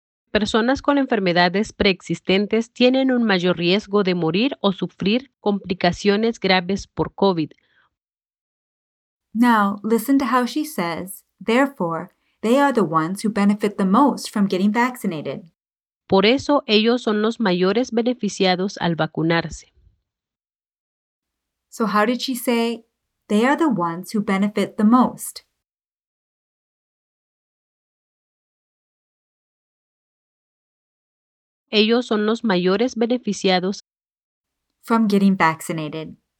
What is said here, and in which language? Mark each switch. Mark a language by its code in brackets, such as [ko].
[es] Personas con enfermedades preexistentes tienen un mayor riesgo de morir o sufrir complicaciones graves por COVID. [en] Now, listen to how she says, therefore, they are the ones who benefit the most from getting vaccinated. [es] Por eso, ellos son los mayores beneficiados al vacunarse. [en] So how did she say, they are the ones who benefit the most? [es] Ellos son los mayores beneficiados [en] from getting vaccinated.